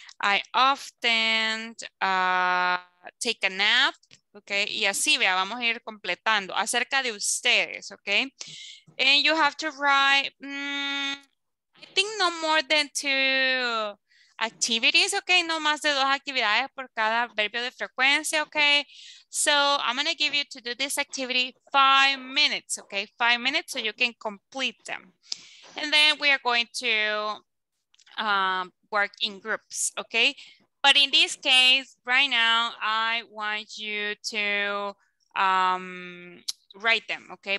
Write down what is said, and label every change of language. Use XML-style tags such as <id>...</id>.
<en>I often take a nap, okay?</en> <es>Y así, vea, vamos a ir completando. Acerca de ustedes, okay?</es> <en>And you have to write, I think no more than two activities, okay?</en> <es>No más de dos actividades por cada verbo de frecuencia, okay?</es> <en>So I'm gonna give you to do this activity 5 minutes, okay? 5 minutes so you can complete them. And then we are going to work in groups, okay? But in this case, right now, I want you to write them, okay?</en>